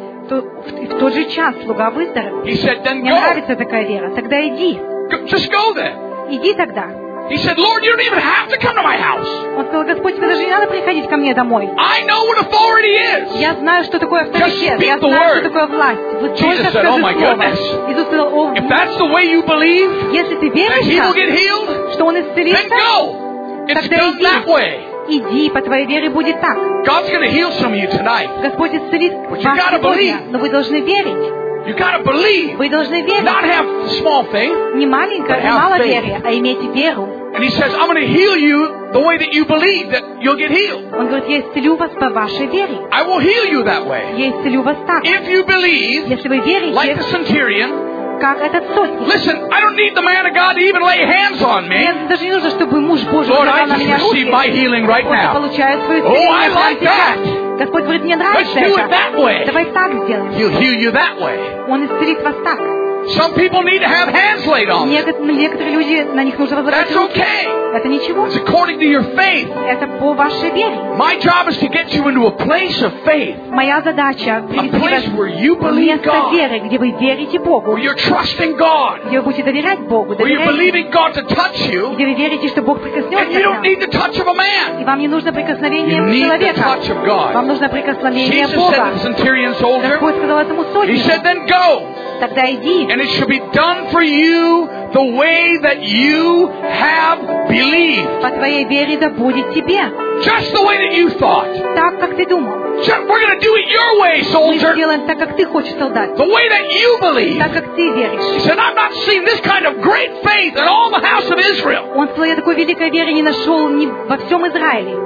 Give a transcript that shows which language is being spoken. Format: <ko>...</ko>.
<ru>В тот же час слуга выздоровел.</ru> <en>He said, then go.</en> <ru>Мне нравится такая вера. Тогда иди.</ru> <en>Just go then.</en> <ru>Иди тогда.</ru> <en>He said, Lord, you don't even have to come to my house.</en> <ru>Он сказал, Господь, тебе даже не надо приходить ко мне домой.</ru> <en>I know what authority is.</en> <ru>Я знаю, что такое авторитет. Я знаю, что такое власть. Вы</ru> <en>Jesus</en> <ru>только</ru> <en>said,</en> <ru>скажи</ru> <en>oh my</en> <ru>слово.</ru> <en>Goodness.</en> <ru>Иисус сказал, о,</ru> <en>If that's the way you believe,</en> <ru>если ты веришь,</ru> <en>that he will get healed,</en> <ru>что он исцелится,</ru> <en>then go. It's</en> <ru>тогда иди.</ru> <en>That way.</en> <ru>иди, по твоей вере будет так.</ru> <en>God's going to heal some of you tonight.</en> <ru>Господь исцелит вас сегодня. Но вы должны верить.</ru> <en>You gotta believe.</en> <ru>Вы должны верить.</ru> <en>Not have small faith.</en> <ru>Не маленькое, мало веры, а иметь веру.</ru> <en>And he says, I'm going to heal you the way that you believe that you'll get healed.</en> <ru>Он говорит, я исцелю вас по вашей вере.</ru> <en>I will heal you that way.</en> <ru>Я исцелю вас так.</ru> <en>If you believe,</en> <ru>если вы верите,</ru> <en>like the centurion.</en> <ru>Как этот сотник.</ru> <en>Listen, I don't need the man of God to even lay hands on me.</en> <ru>Мне даже не нужно, чтобы муж Божий</ru> <en>Lord, I just receive my healing right now. Oh, I like that.</en> <ru>Господь говорит, мне нравится это.</ru> <en>Let's do it that way.</en> <ru>Давай так сделаем.</ru> <en>He'll heal you that way.</en> <ru>Он исцелит вас так.</ru> <en>Some people need to have hands laid on.</en> <ru>Некоторые люди на них нужно возложить.</ru> <en>That's okay.</en> <ru>Это ничего.</ru> <en>It's according to your faith.</en> <ru>Это по вашей вере.</ru> <en>My job is to get you into a place of faith.</en> <ru>Моя задача привести вас.</ru> <en>A place where you believe God.</en> <ru>Место веры, где вы верите Богу.</ru> <en>Where you're trusting God.</en> <ru>Где вы будете доверять Богу.</ru> <en>Where you're believing God to touch you.</en> <ru>Где вы верите, что Бог прикоснется к вам.</ru> <en>And you don't need the touch of a man.</en> <ru>И вам не нужно прикосновение человека.</ru> <en>You need the touch of God.</en> <ru>Вам нужно прикосновение</ru> <en>Jesus</en> <ru>Бога.</ru> <en>Jesus said to the centurion soldier.</en> <ru>Господь сказал этому сотнику.</ru> <en>He said, then go.</en> <ru>Тогда иди.</ru> <en>And it shall be done for you the way that you have believed.</en> <ru>По твоей вере да будет тебе.</ru> <en>Just the way that you thought.</en> <ru>Так как ты думал.</ru> <en>We're going to do it your way, soldier.</en> <ru>Мы сделаем так, как ты хочешь, солдат.</ru> <en>The way that you believe.</en> <ru>Так как ты веришь.</ru> <en>He said, "I've not seen this kind of great faith in all the house of Israel."</en> <ru>Он сказал, я такой великой веры не нашел ни во всем Израиле.</ru>